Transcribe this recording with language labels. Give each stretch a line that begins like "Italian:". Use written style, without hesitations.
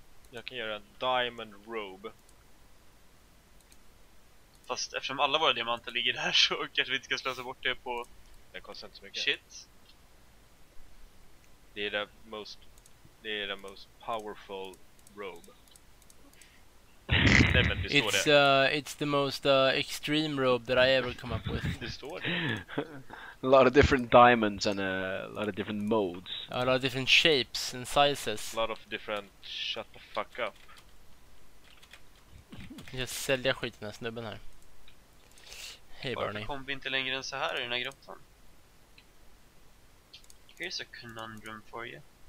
Swedish: Jag kan göra en diamond robe. Fast eftersom alla våra diamanter ligger där så kanske vi inte ska slösa bort det på... Det kostar inte så mycket. Shit. Det är
English: the most powerful robe.
Swedish: Nej, men det står det.
English: It's the most extreme robe that I ever come up with.
Swedish: Det står det.
English: A lot of different diamonds and a lot of different modes. A lot of different shapes and sizes. A lot of different... Shut the fuck up.
Swedish: Jag säljer skit den här snubben här. Hej Barney. Varför kom vi inte längre än så här i den här grottan?
English: Here's a conundrum for you.